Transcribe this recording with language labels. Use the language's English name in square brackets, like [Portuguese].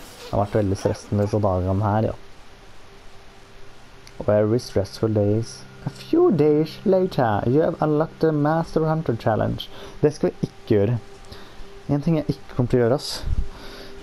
[Norwegian] Det har vært veldig stressende disse dagene her, ja. [English] Very stressful days. A few days later, you have unlocked the Master Hunter Challenge. [Norwegian] Det skal vi ikke gjøre. En ting jeg ikke kommer til å gjøre, ass.